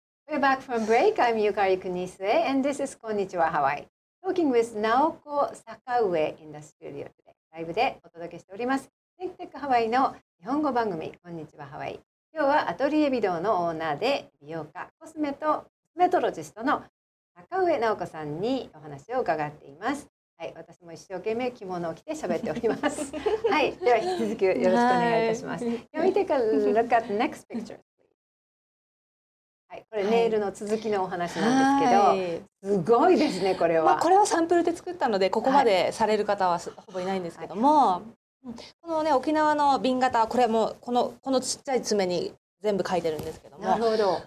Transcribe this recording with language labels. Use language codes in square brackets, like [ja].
[en] We're back from break. I'm Yukari Kunisue, and this is Konnichiwa Hawaii. Talking with Naoko Sakaue in the studio today. [ja] ライブでお届けしております。 Think Tech Hawaii の日本語番組、Konnichiwa Hawaii。今日はアトリエ美堂のオーナーで美容家、コスメとコスメトロジストの Sakaue Naoko さんにお話を伺っています。はい、私も一生懸命着物を着て喋っております。はい、では引き続きよろしくお願いいたします。 [en] Can we take a look at the next picture? [ja] はい、これネイルの続きのお話なんですけど、はい、すごいですねこれは、まあ、これはサンプルで作ったのでここまでされる方はほぼいないんですけども、はい、このね沖縄の瓶型、これもこのちっちゃい爪に全部書いてるんですけども、なるほど、